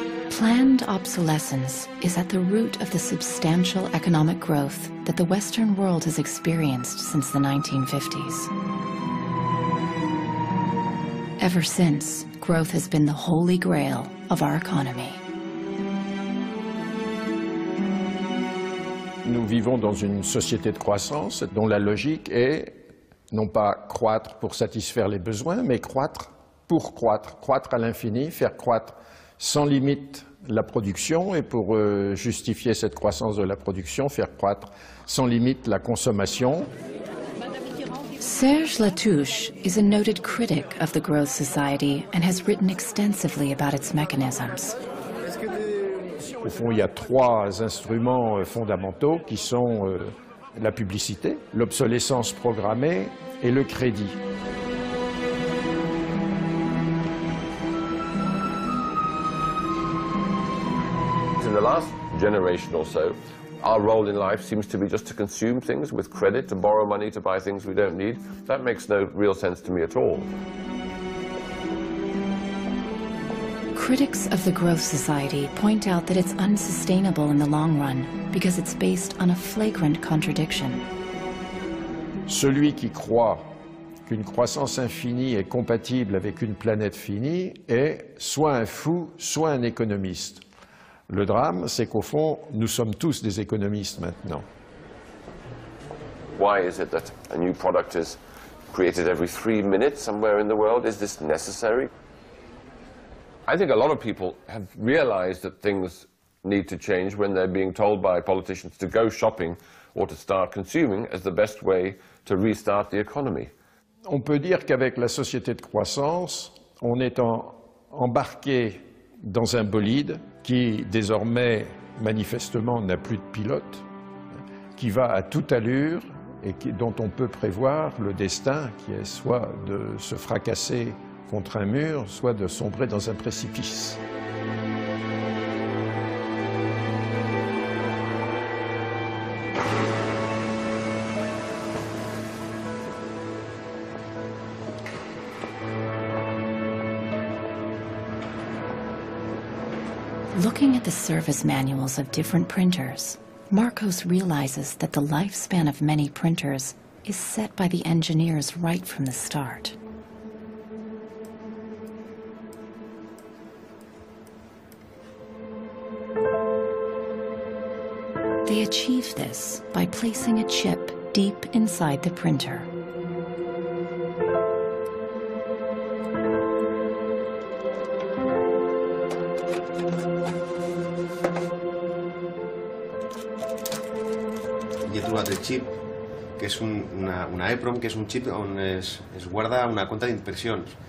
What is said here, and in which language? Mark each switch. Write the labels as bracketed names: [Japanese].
[English] Planned obsolescence is at the root of the substantial economic growth that the Western world has experienced since the 1950s. Ever since, growth has been the holy grail of our economy. [French] Nous vivons dans une société de croissance dont la logique est non pas croître pour satisfaire les besoins, mais croître pour croître, croître à l'infini, faire croître sans limite la production et pour justifier cette croissance de la production, faire croître sans limite la consommation. [English] Serge Latouche is a noted critic of the growth society and has written extensively about its mechanisms. [French] Au fond, il y a trois instruments fondamentaux qui sont la publicité, l'obsolescence programmée et le crédit. [English] In the last generation or so, our role in life seems to be just to consume things with credit, to borrow money to buy things we don't need. That makes no real sense to me at all. Critics of the growth society point out that it's unsustainable in the long run because it's based on a flagrant contradiction. [French] Celui qui croit qu'une croissance infinie est compatible avec une planète finie est soit un fou, soit un économiste. Le drame, c'est qu'au fond, nous sommes tous des économistes maintenant. [English] Why is it that a new product is created every 3 minutes somewhere in the world? Is this necessary? I think a lot of people have realized that things need to change when they're being told by politicians to go shopping or to start consuming as the best way to restart the economy. [French] On peut dire qu'avec la société de croissance, on est embarqué dans un bolide qui désormais manifestement n'a plus de pilote, qui va à toute allure et dont on peut prévoir le destin, qui est soit de se fracasser contre un mur, soit de sombrer dans un précipice. [English] Looking at the service manuals of different printers, Marcos realizes that the lifespan of many printers is set by the engineers right from the start. They achieve this by placing a chip deep inside the printer. [Catalan] Y he trobat el chip, que es una EEPROM, que es un chip on es guarda una cuenta de impresiones.